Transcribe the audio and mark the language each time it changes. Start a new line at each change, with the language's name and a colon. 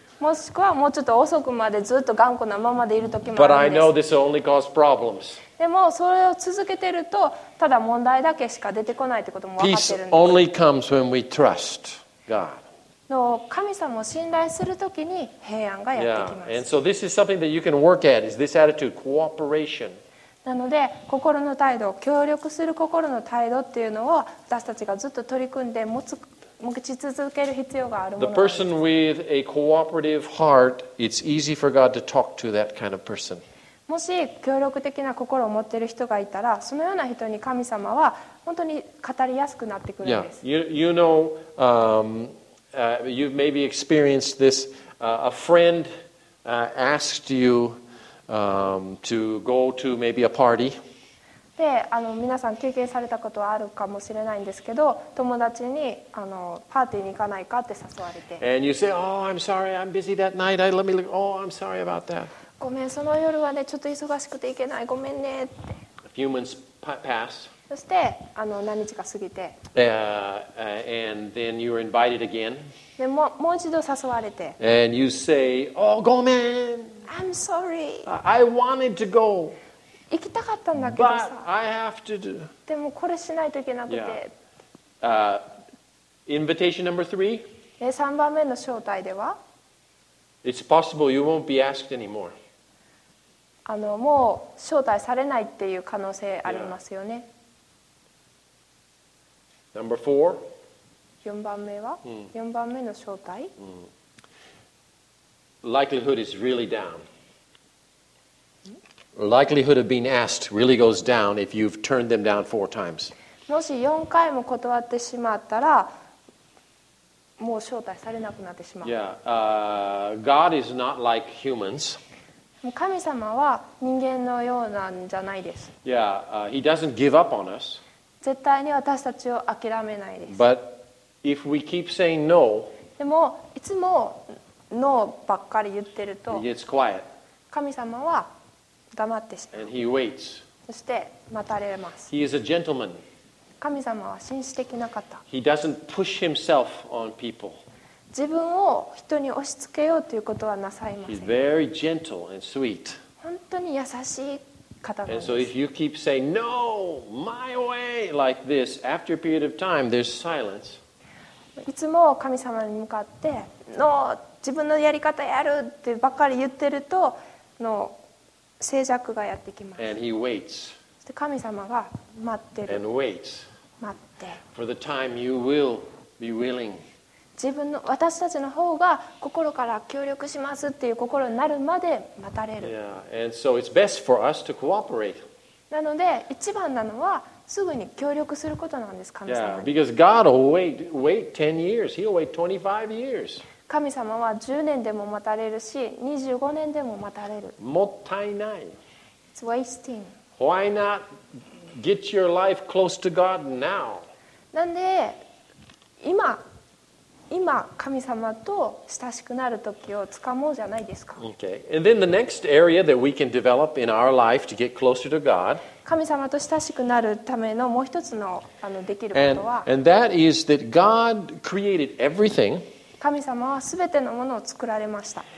Japanese: もしくはもうちょっと遅くまでずっと頑固なままでいる時もあるんです。
English: But I know this only causes problems.
Japanese: でもそれを続けてるとただ問題だけしか出てこないってことも分かってるんです。
English: Peace only comes when we trust God.
Japanese: の神様を信頼するときに平安がやってきます。
English: Yeah. And so this is something that you can work at, is this attitude, cooperation.
Japanese: なので心の態度、協力する心の態度っていうのを私たちがずっと取り組んで持ち続ける必要があるものです。
English: The person with a cooperative heart, it's easy for God to talk to that kind of person.
Japanese: もし協力的な心を持っている人がいたら、そのような人に神様は本当に語りやすくなってくるんです。
English: Yeah, you know, you've maybe experienced this. A friend asked you. To go to maybe a party.
Japanese: で、皆さん経験されたことはあるかもしれないんですけど、友達にパーティーに行かないかって誘われて。
English: And you say, oh, I'm sorry, I'm busy that night. Let me look. Oh, I'm sorry about that.
Japanese: ごめん、その夜はね、ちょっと忙しくて行けない。ごめんねって。
English: A few months pass.
Japanese: そして何日か過ぎて。
English: And then you were invited again.
Japanese: で、もう一度誘われて。
English: And you say, oh,
Japanese: ごめん。
English: I'm sorry. I wanted to go.
Japanese: 行きたかったんだけどさ。
English: But I have to do.
Japanese: でもこれしないといけなくて。
English: Yeah. Invitation number three.
Japanese: 3番目の招待では
English: It's possible you won't be asked anymore.
Japanese: もう招待されないっていう可能性ありますよね。
English: Yeah. Number four.
Japanese: 4番目は、4番目の招待、
English: Likelihood is really down. Likelihood of being asked really goes down if you've turned them down four times.
Japanese: もし4回も断ってしまったら、もう招待されなくなってしまう。
English: Yeah. God is not like humans.
Japanese: 神様は人間のようなんじゃないです。
English: Yeah. He doesn't give up on us.
Japanese: 絶対に私たちを諦めないです。
English: But if we keep saying no,
Japanese: でもいつもノーばっかり言ってると神様は黙ってしまう。そして待たれます。
English: He is a gentleman.
Japanese: 神様は紳士的な方。
English: He doesn't push himself on people.
Japanese: 自分を人に押し付けようということはなさいません。
English: He's very gentle and sweet.
Japanese: 本当に優しい方なんです。
English: And so if you keep saying no, my way like this, after a period of time, there's silence.
Japanese: いつも神様に向かってノー自分のやり方やるってばっかり言ってるとの静寂がやってきます。
English: And he waits.
Japanese: そして神様が待ってる。
English: And waits.
Japanese: 待って。
English: For the time you will be willing.
Japanese: 自分の私たちの方が心から協力しますっていう心になるまで待たれる。
English: Yeah. And so it's best for us to cooperate.
Japanese: なので一番なのはすぐに協力することなんです、神様。
English: Yeah. Because God will wait 10 years. He'll wait 25 years.
Japanese: 神様は10年でも待たれるし、25年でも待たれる。もったいない。
English: It's wasting. Why not get your life close to God now?
Japanese: なんで今神様と親しくなる時をつかもうじゃないですか。
English: Okay. And then the next area that we can develop in our life to get closer to God.
Japanese: 神様と親しくなるためのもう一つのできることは、
English: and that is that God created everything.
Japanese: 神様はすべてのものを作られました。